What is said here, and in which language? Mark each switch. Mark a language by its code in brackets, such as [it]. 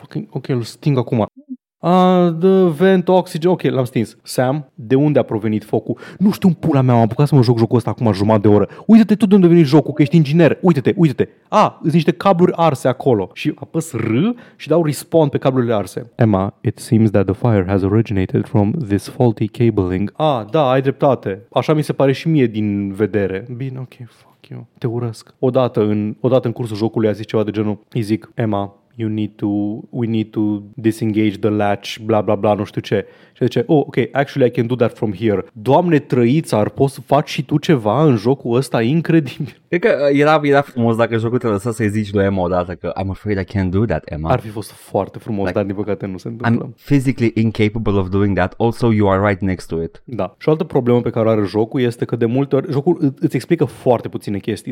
[ro] Ok, îl sting acum. [en] The vent, oxygen, [ro] ok, l-am stins. Sam, de unde a provenit focul? Nu știu, în pula mea, am apucat să mă joc jocul ăsta acum jumătate de oră. Uită-te tu de unde a venit jocul, că ești inginer. Uită-te. Sunt niște cabluri arse acolo. Și apăs R și dau respawn pe cablurile arse. [en] Emma, it seems that the fire has originated from this faulty cabling. [ro] Da, ai dreptate. Așa mi se pare și mie din vedere. Bine, ok, [en] fuck you. [ro] Te urăsc. Odată în cursul jocului a zis ceva de genul, îi zic, Emma, [en] we need to disengage the latch, [ro] bla bla bla, nu știu ce. Și zice, [en] actually I can do that from here. [ro] Doamne trăiță, ar poți să faci și tu ceva în jocul ăsta incredibil. Cred că era frumos dacă jocul te lăsa să-i zici lui Emma odată că [en] I'm afraid I can't do that, Emma. [ro] Ar fi fost foarte frumos, like, dar din păcate nu se întâmplă. [en] I'm physically incapable of doing that. Also, you are right next to it. [ro] Da. Și o altă problemă pe care o are jocul este că de multe ori jocul îți explică foarte puține chestii.